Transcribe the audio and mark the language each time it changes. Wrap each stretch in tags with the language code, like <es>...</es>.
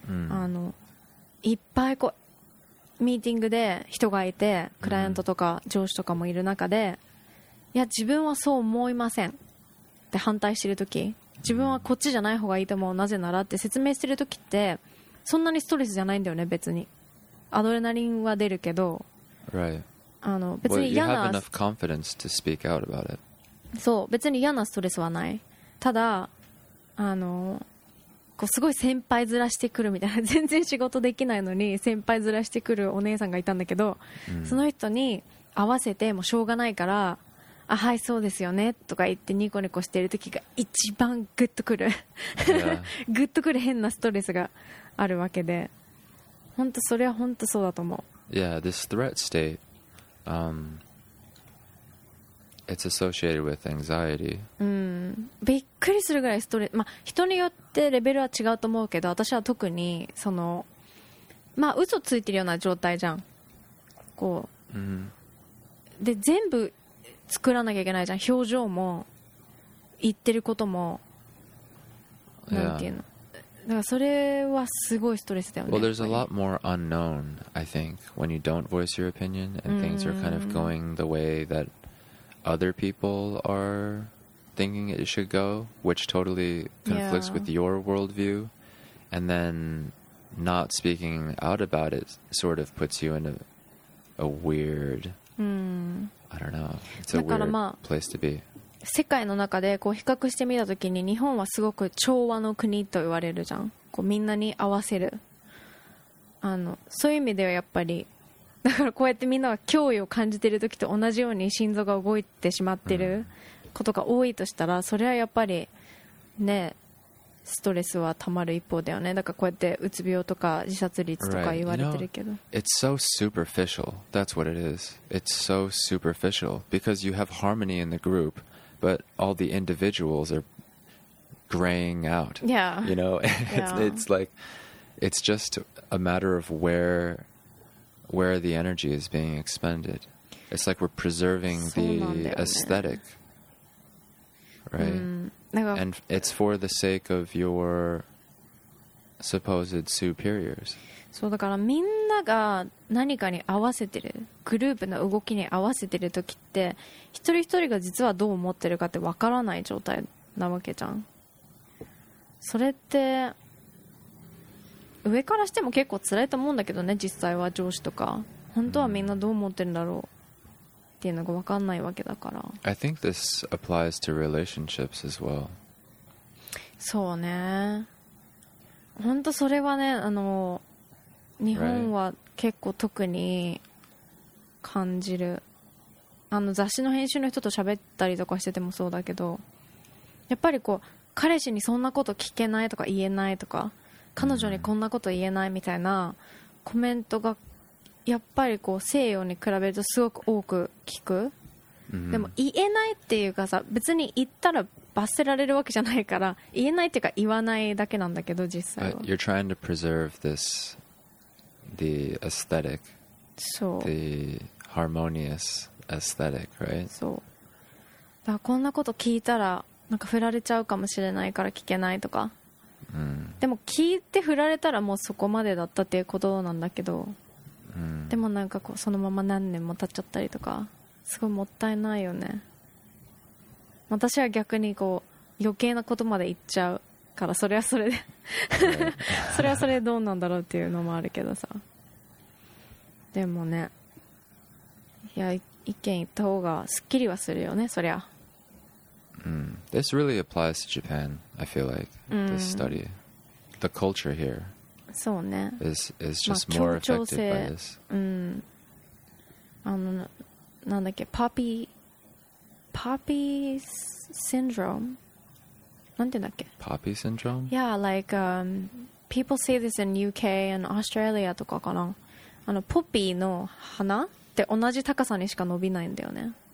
<ja>あの、いっぱいこうミーティングで人がいて、クライアントとか上司とかもいる中で、いや自分はそう思いませんって反対しているとき、自分はこっちじゃない方がいいと思う、なぜならって説明しているときって、そんなにストレスじゃないんだよね。別にアドレナリンは出るけど、あの別に嫌な、</ja> <en>you have enough confidence to speak out about it.</en> <ja>そう、別に嫌なストレスはない。ただあのこうすごい先輩ずらしてくるみたいな、全然仕事できないのに先輩ずらしてくるお姉さんがいたんだけど、その人に合わせてもしょうがないから、あ、はい、そうですよねとか言ってニコニコしてる時が一番グッとくる、グッとくる変なストレスがあるわけで。本当それは本当そうだと思う。</ja> <en>Yeah, this threat state, it's associated with anxiety.</en> <ja>びっくりするぐらいストレス、まあ人によってレベルは違うと思うけど、私は特にそのまあ嘘ついてるような状態じゃん。こう、で全部作らなきゃいけないじゃん。表情も言ってることも、なんていうの。</ja> <en>Yeah.</en> <ja>だからそれはすごいストレスだよね。</ja> <en>Well, there's a lot more unknown, I think, when you don't voice your opinion and things are kind of going the way that other people are thinking it should go, which totally conflicts with your worldview. And then not speaking out about it sort of puts you in a weird, I don't know, it's a weird place to be.</en> <ja>世界の中でこう比較してみたときに、日本はすごく調和の国と言われるじゃん。こうみんなに合わせる、あのそういう意味ではやっぱりだからこうやってみんなが脅威を感じてる時と同じように心臓が動いてしまってることが多いとしたら、それはやっぱりねストレスはたまる一方だよね。だからこうやってうつ病とか自殺率とか言われてるけど、</ja> <en>right. you know, It's so superficial. That's what it is. It's so superficial because you have harmony in the group, but all the individuals are graying out. Yeah. You know, it's like it's just a matter of where the energy is being expended. It's like we're preserving the aesthetic. Right? And it's for the sake of your supposed superiors.</en> <ja>そうだからみんなが何かに合わせてるグループの動きに合わせてる時って一人一人が実はどう思ってるかって分からない状態なわけじゃん。それって上からしても結構辛いと思うんだけどね、実際は上司とか本当はみんなどう思ってるんだろうっていうのが分かんないわけだから。</ja> <en>I think this applies to relationships as well.</en> <ja>そうね、本当それはね、あの日本は結構特に感じる。あの雑誌の編集の人と喋ったりとかしててもそうだけど、やっぱりこう彼氏にそんなこと聞けないとか言えないとか彼女にこんなこと言えないみたいなコメントがやっぱりこう西洋に比べるとすごく多く聞く、でも言えないっていうかさ、別に言ったら罰せられるわけじゃないから、言えないっていうか言わないだけなんだけど実際は。</ja> <en>You're trying to preserve this the aesthetic the harmonious aesthetic, right?</en> <ja>そう。だからこんなこと聞いたらなんか振られちゃうかもしれないから聞けないとか、でも聞いて振られたらもうそこまでだったっていうことなんだけど、でもなんかこうそのまま何年も経っちゃったりとかすごいもったいないよね。私は逆にこう余計なことまで言っちゃうから、それはそれでそれはそれでどうなんだろうっていうのもあるけどさ、でもね、いや意見言った方がすっきりはするよねそりゃ。</ja> <en>This really applies to Japan, I feel like, this study. The culture here is just more affected by this.</en> <ja>あの、なんだっけ、Poppy syndrome? なんて言うんだっけ?</ja> <en>Poppy syndrome? Yeah, like, people say this in UK and Australia</en> <ja>とかかな。あの、ポピーの花って同じ高さにしか伸びないんだよね。</ja>